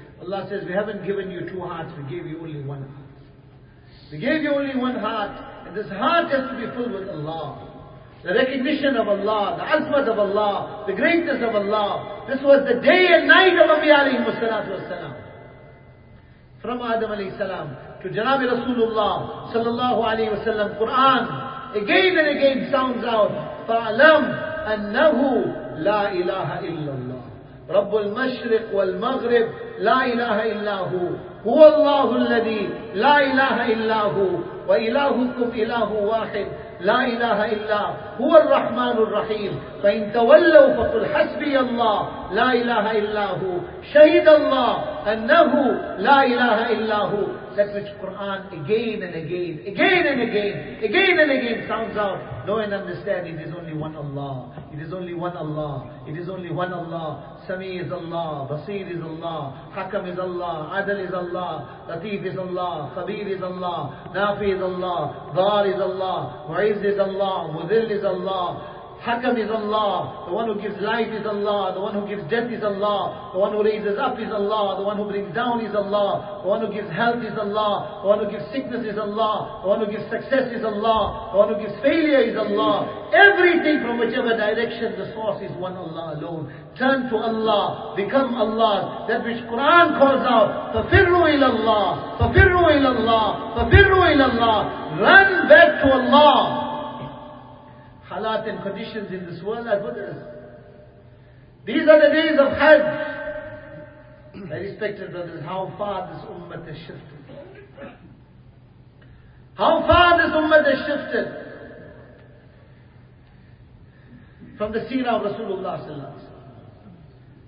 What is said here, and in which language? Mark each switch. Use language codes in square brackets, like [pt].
[en] Allah says, we haven't given you two hearts, we gave you only one heart. We gave you only one heart, and this heart has to be filled with Allah. The recognition of Allah, the azmat of Allah, the greatness of Allah. This was the day and night of Anbiya alayhimu salatu wassalam. From Adam alayhi salam to Janabi Rasulullah sallallahu alayhi wasallam, Quran again and again sounds out, [ar] فَعْلَمْ أَنَّهُ لَا إِلَهَ إِلَّا اللَّهُ رَبُّ الْمَشْرِقِ وَالْمَغْرِبِ لا إله إلا هو هو الله الذي لا إله إلا هو وإلهكم إله واحد لا إله إلا هو الرحمن الرحيم فإن تولوا فقل حسبي الله لا إله إلا هو شهد الله أنه لا إله إلا هو. [en] That which Quran again and again, again and again, again and again sounds out. Know and understand, it is only one Allah. It is only one Allah. It is only one Allah. Sami is Allah. Basir is Allah. Hakam is Allah. Adal is Allah. Latif is Allah. Khabir is Allah. Nafi is Allah. Dar is Allah. Mu'izz is Allah. Mudhil is Allah. Hakam is Allah, the one who gives life is Allah, the one who gives death is Allah, the one who raises up is Allah, the one who brings down is Allah, the one who gives health is Allah, the one who gives sickness is Allah, the one who gives success is Allah, the one who gives failure is Allah. Everything from whichever direction, the source is one Allah alone. Turn to Allah, become Allah. That which Quran calls out, [ar] فَفِرُّوا إِلَى اللَّهِ فَفِرُّوا إِلَى اللَّهِ فَفِرُّوا إِلَى اللَّهِ. [en] Run back to Allah. Halat and conditions in this world are good. These are the days of Hajj. My respected brothers, how far this ummah has shifted. How far this ummah has shifted from the seerah of Rasulullah sallallahu alaihi wasallam.